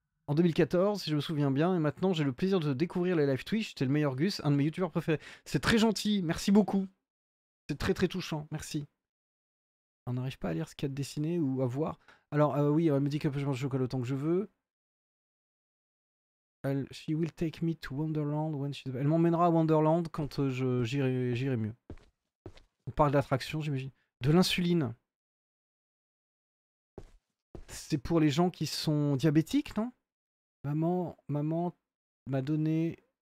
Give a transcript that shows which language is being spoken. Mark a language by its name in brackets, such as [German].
[French] En 2014, si je me souviens bien. Et maintenant, j'ai le plaisir de découvrir les live Twitch. T'es le meilleur Gus, un de mes youtubeurs préférés. C'est très gentil, merci beaucoup. C'est très très touchant, merci. On n'arrive pas à lire ce qu'il y a de dessiné ou à voir. Alors, oui, elle me dit que je mange du chocolat autant que je veux. [English] She will take me to Wonderland when she's... [French] Elle m'emmènera à Wonderland quand j'irai mieux. On parle d'attraction, j'imagine. De l'insuline. C'est pour les gens qui sont diabétiques, non? Maman m'a donné...